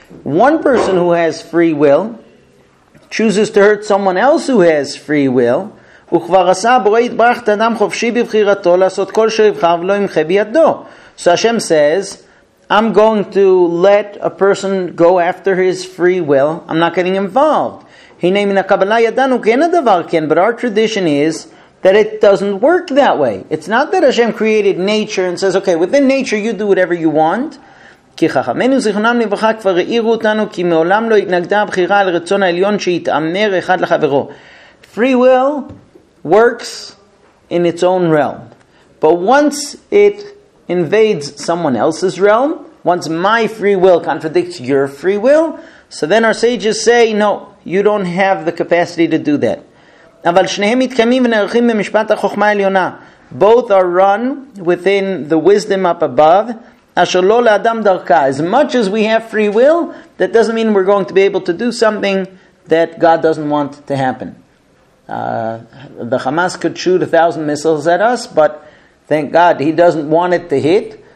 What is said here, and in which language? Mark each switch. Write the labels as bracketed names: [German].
[English] One person who has free will chooses to hurt someone else who has free will. [Hebrew] וכבר עשה הבורא יתברך את אדם חופשי בבחירתו לעשות כל שיבחר ולא ימחה בידו. [English] So Hashem says, I'm going to let a person go after his free will. I'm not getting involved. [Hebrew] הנה מן הקבלה ידענו כן הדבר כן, [English] but our tradition is that it doesn't work that way. It's not that Hashem created nature and says, okay, within nature you do whatever you want. [Hebrew] כי חכמנו זיכרונם לברכה כבר העירו אותנו כי מעולם לא התנגדה הבחירה על רצון העליון שהתאמר אחד לחברו. [English] Free will works in its own realm. But once it invades someone else's realm, once my free will contradicts your free will, so then our sages say, no, you don't have the capacity to do that. [Hebrew] אבל שניהם מתקיימים ונערכים במשפט החוכמה העליונה. [English] Both are run within the wisdom up above. [Hebrew] אשר לא לאדם דרכה. [English] As much as we have free will, that doesn't mean we're going to be able to do something that God doesn't want to happen. The Hamas could shoot 1,000 missiles at us, but thank God he doesn't want it to hit.